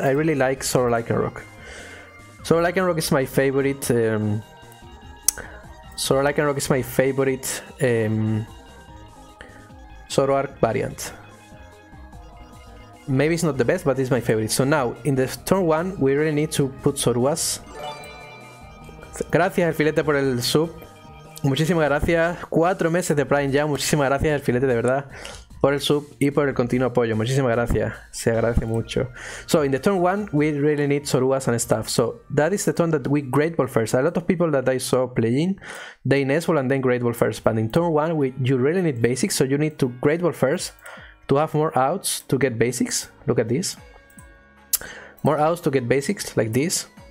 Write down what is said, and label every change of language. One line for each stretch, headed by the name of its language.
English: I really like Sword Lycanroc. Sword Lycanroc is my favorite. Sword Lycanroc is my favorite. Zoroark variant. Maybe it's not the best, but it's my favorite. So now, in the turn 1, we really need to put Zoruas.
Spanish: Gracias, El Filete, por el sub. Muchísimas gracias. 4 meses de Prime ya. Muchísimas gracias, El Filete, de verdad. por el sub y por el continuo apoyo. Muchísimas gracias. Se agradece mucho.
English: So, in the turn one, we really need Sorugas and stuff. So, that is the turn that we Great Ball first. A lot of people that I saw playing, they Nezzle and then Great Ball first. But in turn one, you really need basics, so you need to Great Ball first to have more outs to get basics. Look at this. More outs to get basics, like this.